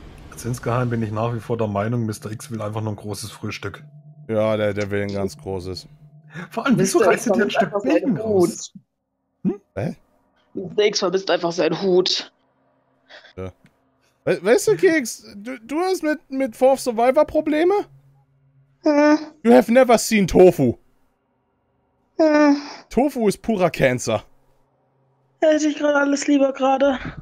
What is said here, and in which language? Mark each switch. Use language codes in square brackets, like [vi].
[de] Jetzt insgeheim bin ich nach wie vor der Meinung, Mr. X will einfach nur ein großes Frühstück. Ja, der will ein ganz großes. Vor allem, wieso reißt du dir ein Stück Bacon raus? Mr. X vermisst einfach sein Hut. Ja. Weißt du, Keks, du hast mit Fourth Survivor Probleme? [en] You have never seen Tofu. [de] Tofu ist purer Cancer. Hätte ich gerade alles lieber gerade.